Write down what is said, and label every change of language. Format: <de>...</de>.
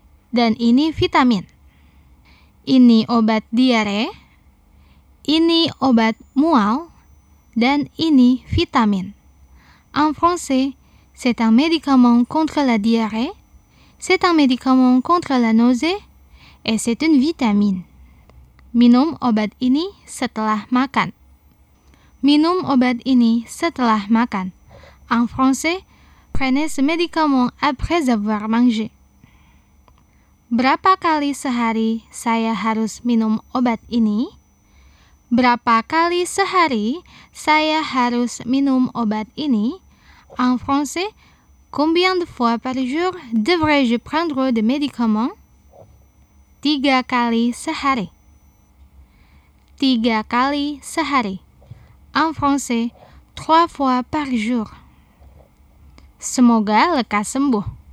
<id>Dan ini vitamin. Ini obat diare. Ini obat mual. Dan ini vitamin.</id> <fr>En français, c'est un médicament contre la diarrhée. C'est un médicament contre la nausée et c'est une vitamine.</fr> <id>Minum obat ini setelah makan. Minum obat ini setelah makan.</id> <fr>En français, prenez ce médicament après avoir mangé.</fr> <id>Berapa kali sehari saya harus minum obat ini? Berapa kali sehari saya harus minum obat ini?</id> <fr>En français, combien de fois par jour devrais-je prendre des médicaments?</fr> <id>3 kali sehari. 3 kali sehari.</id> <fr>En français, 3 fois par jour.</fr> <id>Semoga lekas sembuh.</id>